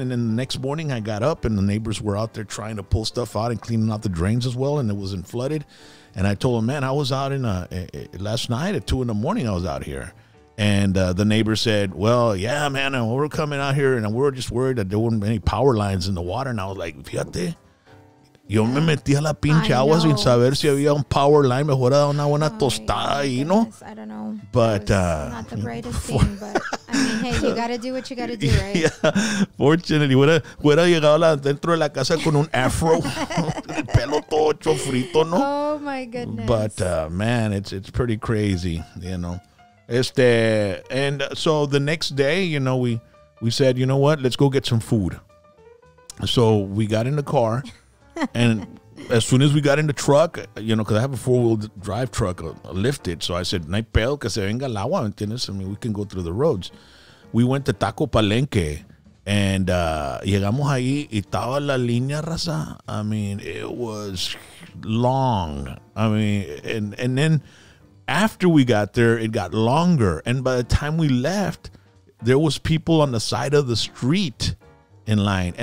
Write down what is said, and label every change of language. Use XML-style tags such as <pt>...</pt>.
<en>And then the next morning I got up. And the neighbors were out there trying to pull stuff out and cleaning out the drains as well. And it wasn't flooded. And I told them, man, I was out in last night at 2 in the morning. I was out here. And the neighbor said, well, yeah, man, we're coming out here. And we're just worried that there weren't any power lines in the water. And I was like,</en> <es>fíjate. Yo me metí a la pinche agua sin saber si había un</es> <en>power line.</en> <es>Mejor era una buena tostada ahí, ¿no?</es> <en>I don't know. But, not the greatest thing, but, I mean, hey, you gotta do what you gotta do, right? Yeah, fortunately,</en> <es>hubiera llegado dentro de la casa con un afro, el pelo todo hecho frito, ¿no?</es> <en>Oh, my goodness. But, man, it's pretty crazy, you know. And so the next day, you know, we said, you know what, let's go get some food. So we got in the car. And as soon as we got in the truck, you know, because I have a four-wheel drive truck, a lifted. So I said,</en> <es>no hay pedo que se venga el agua, ¿me entiendes?</es> <en>I mean, we can go through the roads. We went to Taco Palenque.</en> <es>And llegamos ahí y estaba la línea, raza.</es> <en>I mean, it was long. I mean, and then after we got there, it got longer. And by the time we left, there was people on the side of the street in line.</en>